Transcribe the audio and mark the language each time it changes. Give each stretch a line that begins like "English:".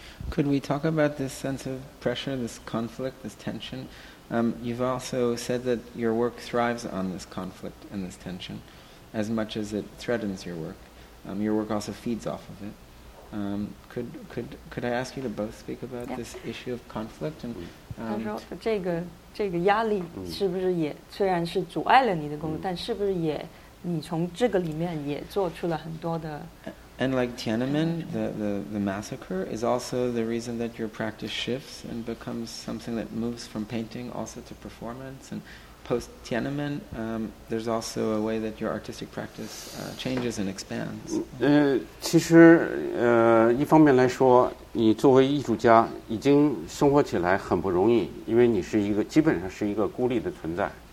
English: Could we talk about this sense of pressure, this conflict, this tension? You've also said that your work thrives on this conflict and this tension as much as it threatens your work. Your work also feeds off of it. Could I ask you to both speak about this issue of conflict? And,
Chinese: 他说这个压力是不是也虽然是阻碍了你的工作，但是不是也你从这个里面也做出了很多的。
English: And like Tiananmen, the massacre is also the reason that your practice shifts and becomes something that moves from painting also to performance. And post Tiananmen, there's also a way that your artistic practice changes and expands.
Chinese: 其实一方面来说，你作为艺术家已经生活起来很不容易，因为你是一个基本上是一个孤立的存在。